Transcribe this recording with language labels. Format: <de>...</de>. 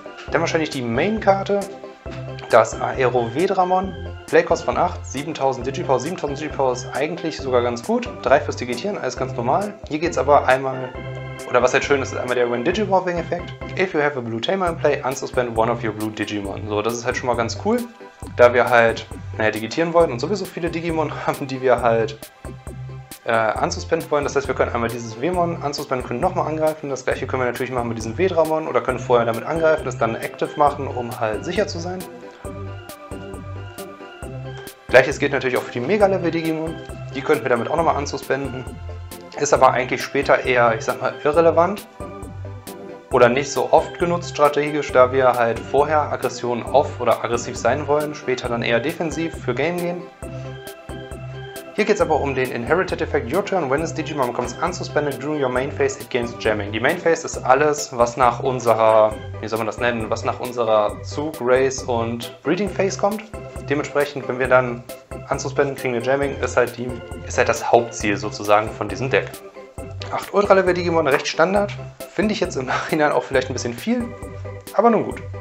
<de>Dann wahrscheinlich die Main-Karte, das Aero-Vedramon, Playcost von 8, 7000 Digipower. 7000 Digipower ist eigentlich sogar ganz gut. 3 fürs Digitieren, alles ganz normal. Hier geht es aber einmal, oder was halt schön ist, ist einmal der Win Digivolving-Effekt.</de> <en>If you have a Blue Tamer in play, unsuspend one of your Blue Digimon.</en> <de>So, das ist halt schon mal ganz cool, da wir halt, naja, digitieren wollen und sowieso viele Digimon haben, die wir halt unsuspend wollen. Das heißt, wir können einmal dieses Wemon unsuspend, können nochmal angreifen. Das gleiche können wir natürlich machen mit diesem Vedramon oder können vorher damit angreifen, das dann active machen, um halt sicher zu sein. Gleiches gilt natürlich auch für die Mega-Level-Digimon. Die könnten wir damit auch nochmal unsuspenden. Ist aber eigentlich später eher, ich sag mal, irrelevant. Oder nicht so oft genutzt strategisch, da wir halt vorher Aggressionen auf oder aggressiv sein wollen, später dann eher defensiv für Game gehen. Hier geht es aber um den Inherited-Effekt.</de> <en>Your turn, when this Digimon becomes unsuspended during your main phase, it gains jamming.</en> <de>Die main phase ist alles, was nach unserer, wie soll man das nennen, was nach unserer Zug-, Race- und Breeding-Phase kommt. Dementsprechend, wenn wir dann unsuspenden, kriegen wir Jamming, ist halt das Hauptziel sozusagen von diesem Deck. 8 Ultra-Level-Digimon, recht Standard. Finde ich jetzt im Nachhinein auch vielleicht ein bisschen viel, aber nun gut.</de>